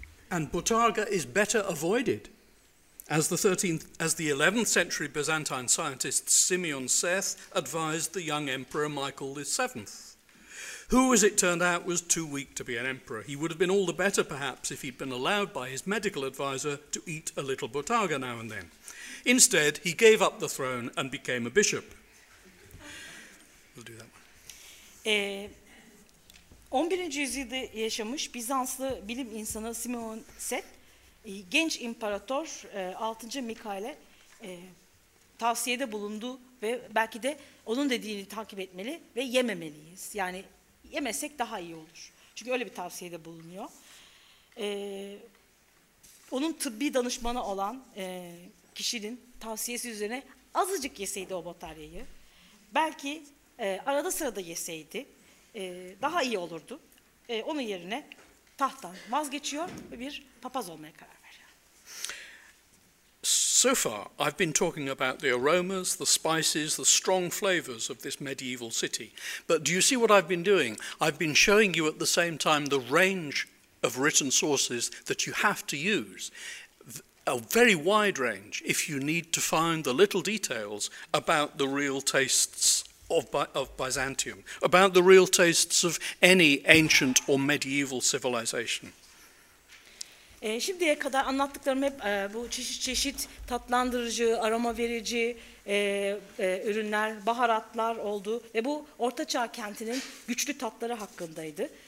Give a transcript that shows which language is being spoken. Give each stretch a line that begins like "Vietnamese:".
English: And botarga is better avoided. As the 11th century Byzantine scientist Simeon Seth advised the young emperor Michael VII, who, as it turned out, was too weak to be an emperor. He would have been all the better, perhaps, if he'd been allowed by his medical adviser to eat a little botarga now and then. Instead, he gave up the throne and became a bishop. We'll do that one.
Turkish: 11. yüzyılda yaşamış Bizanslı bilim insanı Simeon Seth, genç imparator 6. Mikail'e tavsiyede bulundu ve belki de onun dediğini takip etmeli ve yememeliyiz. Yani yemesek daha iyi olur. Çünkü öyle bir tavsiyede bulunuyor. Onun tıbbi danışmanı olan kişinin tavsiyesi üzerine azıcık yeseydi o bataryayı, belki arada sırada yeseydi daha iyi olurdu. Onun yerine tahttan vazgeçiyor ve bir papaz olmaya karar
English: So far, I've been talking about the aromas, the spices, the strong flavors of this medieval city. But do you see what I've been doing? I've been showing you at the same time the range of written sources that you have to use. A very wide range if you need to find the little details about the real tastes of Byzantium, about the real tastes of any ancient or medieval civilization.
Turkish: Şimdiye kadar anlattıklarım hep bu çeşit tatlandırıcı, aroma verici ürünler, baharatlar oldu ve bu Orta Çağ kentinin güçlü tatları hakkındaydı.